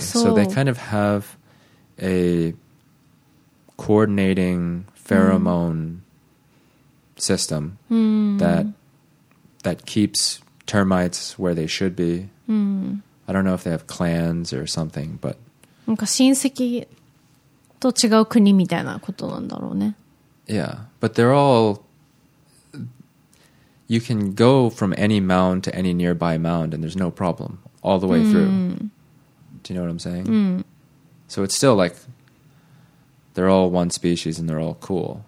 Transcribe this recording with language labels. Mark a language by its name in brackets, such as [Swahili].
[English] So they kind of have a coordinating pheromone、mm. system、mm. that keeps termites where they should be.、 Mm. I don't know if they have clans or something, but... [Japanese] なんか親戚と違う国みたいなことなんだろうね。 [English] Yeah, but they're all... You can go from any mound to any nearby mound and there's no problem all the way through.、Mm. Do you know what I'm saying?、 Mm. So it's still like they're all one species and they're all cool.、